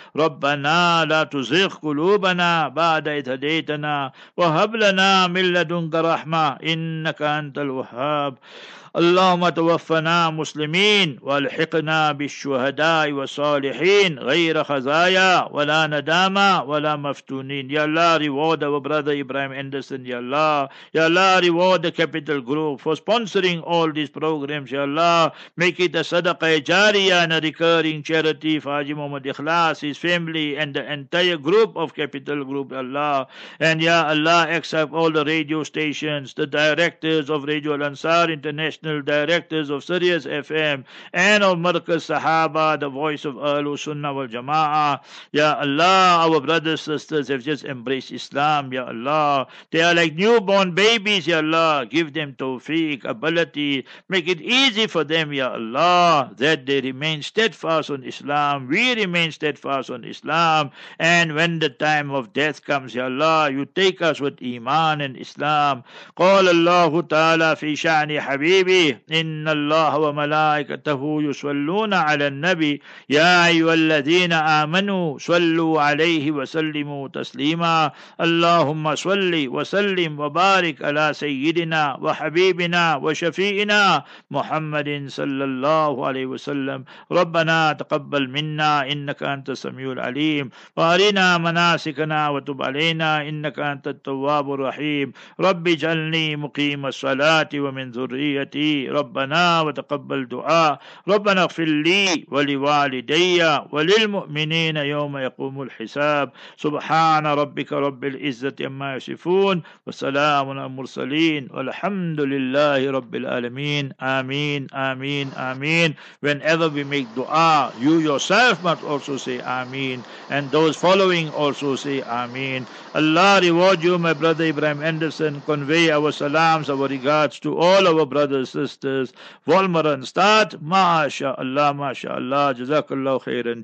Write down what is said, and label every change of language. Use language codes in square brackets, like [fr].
[ar] Rabbana la تزغ قلوبنا بعد إذ هديتنا وهب لنا من لدنك رحمة إنك أنت الوهاب. اللهم توفنا مسلمين والحقنا بالشهداء والصالحين غير خزايا ولا ندامة ولا مفتونين. [en] يا الله reward our brother Ibrahim Anderson. [ar] يا الله. [en] يا الله reward the capital group for sponsoring all these programs. [ar] يا الله. [en] Make it a sadaqa jariya and a recurring charity for Haji Muhammad Ikhlas, his family, and the entire group of capital group. يا الله. And يا الله accept all the radio stations, the directors of Radio Al Ansar International, directors of Sirius FM and of Marcus Sahaba, the voice of Ahlu Sunnah wal Jama'ah. Ya Allah, our brothers, sisters have just embraced Islam. Ya Allah, they are like newborn babies. Ya Allah, give them tawfiq, ability, make it easy for them. Ya Allah, that they remain steadfast on Islam, we remain steadfast on Islam, and when the time of death comes, Ya Allah, you take us with Iman and Islam. [ar] Qala Allahu Ta'ala fi sha'ni Habib, إن الله وملائكته يصلون على النبي يا أيها الذين آمنوا صلوا عليه وسلموا تسليما اللهم صل وسلم وبارك على سيدنا وحبيبنا وشفيئنا محمد صلى الله عليه وسلم ربنا تقبل منا إنك أنت السميع العليم وارنا مناسكنا وتب علينا إنك أنت التواب الرحيم رب اجعلني مقيم الصلاة ومن ذريتي ربنا وتقبل دعاء ربنا اغفر لي ولوالدي وللمؤمنين يوم يقوم الحساب سبحان ربك رب العزة عما يصفون وسلام على المرسلين والحمد لله رب العالمين آمين آمين آمين. [en] Whenever we make dua, you yourself must also say آمين, and those following also say آمين. Allah reward you, my brother Ibrahim Anderson. Convey our salams, our regards to all our brothers, sisters, Walmaran start, MashaAllah, MashaAllah, JazakAllah khairan.